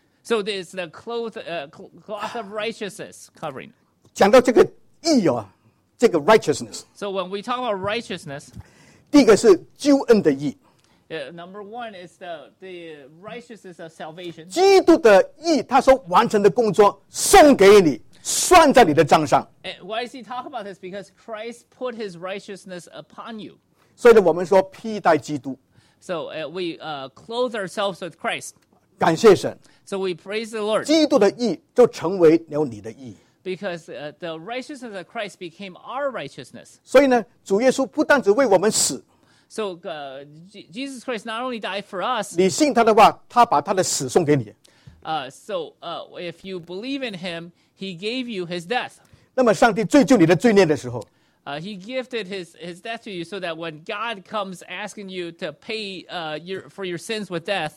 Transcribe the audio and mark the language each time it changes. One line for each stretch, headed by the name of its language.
English: So there's the cloth of righteousness covering
Chinese: 讲到这个义哦 这个 righteousness
English: So when we talk about righteousness
Chinese: 第一个是救恩的义
English: Number one is the righteousness of salvation
Chinese: 基督的义 他说完成的工作送给你 算在你的账上
English: Why does he talk about this? Because Christ put his righteousness upon you
Chinese: 所以我们说披戴基督
English: So we clothe ourselves with Christ
Chinese: 感谢神
English: So we praise the Lord
Chinese: 基督的义就成为了你的义
English: Because the righteousness of Christ became our righteousness
Chinese: 所以呢主耶稣不但只为我们死
English: So Jesus Christ not only died for us
Chinese: 你信他的话 他把他的死送给你
English: If you believe in him He gave you his death
Chinese: 那么上帝追究你的罪孽的时候
English: He gifted his death to you so that when God comes asking you to pay for your sins with death,